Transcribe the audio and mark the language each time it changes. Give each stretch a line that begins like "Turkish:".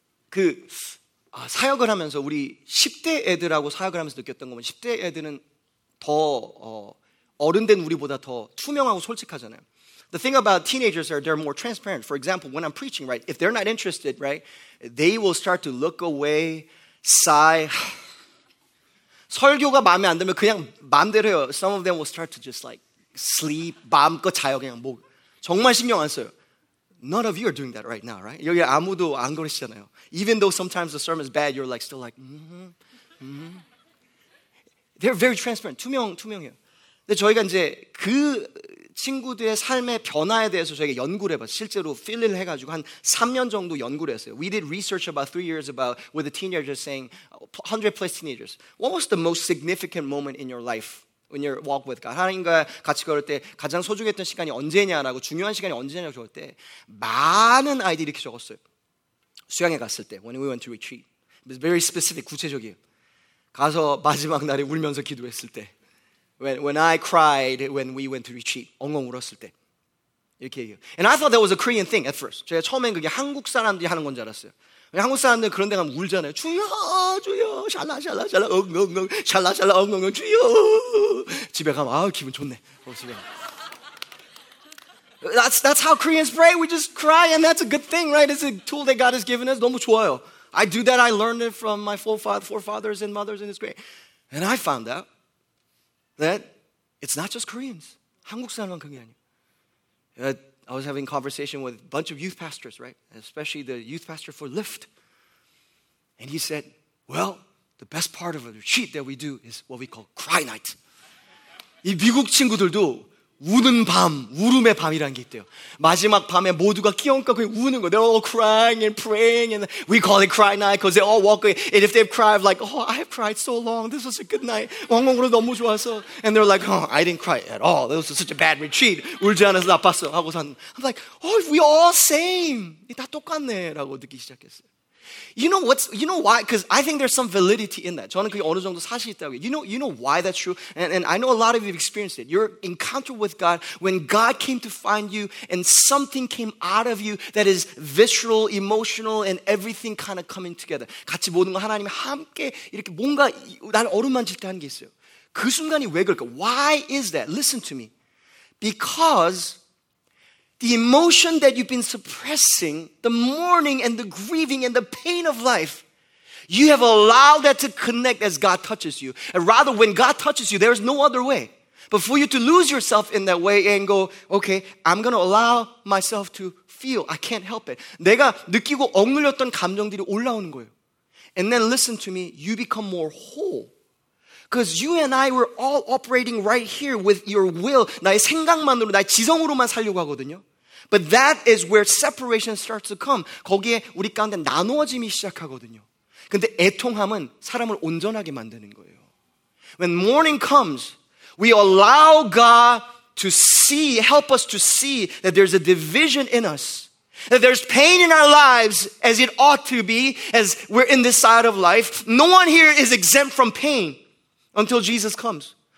Korean: 그 사역을 하면서 우리 10대 애들하고 사역을 하면서 느꼈던 거면 10대 애들은 더 어른된 우리보다 더 투명하고 솔직하잖아요.
English: The thing about teenagers is they're more transparent. For example, when I'm preaching, right, if they're not interested, right, they will start to look away, sigh.
Korean: 설교가 마음에 안 들면 그냥 마음대로 해요.
English: Some of them will start to just like sleep,
Korean: 마음껏 자요. 그냥 뭐 정말 신경 안 써요.
English: None of you are doing that right now, right?
Korean: 여기 아무도 안 그러시잖아요.
English: Even though sometimes the sermon is bad, you're like still like, They're very transparent,
Korean: 투명해요. 근데 저희가 이제 그 친구들의 삶의 변화에 대해서 저희가 연구를 해봤어요. 실제로 필리를 해가지고 한 3년 정도 연구를 했어요.
English: We did research about 3 years about with the teenagers saying 100 plus teenagers. What was the most significant moment in your life when you walk with God?
Korean: 하나님과 같이 걸을 때 가장 소중했던 시간이 언제냐라고 중요한 시간이 언제냐고 적을 때 많은 아이들이 이렇게 적었어요. 수양회 갔을 때
English: when we went to retreat. It was very specific,
Korean: 구체적이에요. 가서 마지막 날에 울면서 기도했을 때
English: When I cried when we went to retreat,
Korean: 엉엉 울었을 때 이렇게 얘기해요.
English: And I thought that was a Korean thing at first.
Korean: 제가 처음엔 그게 한국 사람들이 하는 건 줄 알았어요. 한국 사람들 그런 데 가면 울잖아요. 주여 주여 샬라 샬라 샬라 엉엉엉 샬라 샬라 엉엉엉 주여. 집에 가면 아 기분 좋네.
English: That's how Koreans pray. We just cry and that's a good thing, right? It's a tool that God has given us.
Korean: 너무 좋아요.
English: I do that. I learned it from my forefathers and mothers and it's great. And I found out that it's not just Koreans.
Korean: 한국 사람만 그런 게 아니에요.
English: I was having a conversation with a bunch of youth pastors, right? Especially the youth pastor for Lyft. And he said, well, the best part of a retreat that we do is what we call cry night.
Korean: 이 미국 친구들도 우는 밤, 울음의 밤이라는 게 있대요. 마지막 밤에 모두가 끼얹고 그냥 우는 거.
English: They're all crying and praying. And we call it cry night because they all walk away. And if they've cried, like, oh, I have cried so long. This was a good night.
Korean: 왕왕으로 너무 좋았어.
English: And they're like, oh, I didn't cry at all. This was such a bad retreat.
Korean: 울지 않아서 나빴어. 하고선
English: I'm like, oh, we all same.
Korean: 다 똑같네. 라고 듣기 시작했어요.
English: You know why? Because I think there's some validity in that.
Korean: 저는 그게 어느 정도 사실이 있다고.
English: You know why that's true? And I know a lot of you have experienced it. Your encounter with God, when God came to find you and something came out of you that is visceral, emotional, and everything kind of coming together.
Korean: 같이 모든 거 하나님이 함께 이렇게 뭔가 날 어루만질 때 하는 게 있어요. 그 순간이 왜 그럴까?
English: Why is that? Listen to me. Because the emotion that you've been suppressing, the mourning and the grieving and the pain of life, you have allowed that to connect as God touches you. And rather, when God touches you, there is no other way. But for you to lose yourself in that way and go, okay, I'm going to allow myself to feel. I can't help it.
Korean: 내가 느끼고 억눌렸던 감정들이 올라오는 거예요.
English: And then listen to me, you become more whole. Because you and I were all operating right here with your will.
Korean: 나의 생각만으로, 나의 지성으로만 살려고 하거든요.
English: But that is where separation starts to come.
Korean: 거기에 우리 가운데 나누어짐이 시작하거든요. 근데 애통함은 사람을 온전하게 만드는 거예요.
English: When mourning comes, we allow God to see, help us to see that there's a division in us. That there's pain in our lives as it ought to be, as we're in this side of life. No one here is exempt from pain. Until Jesus comes.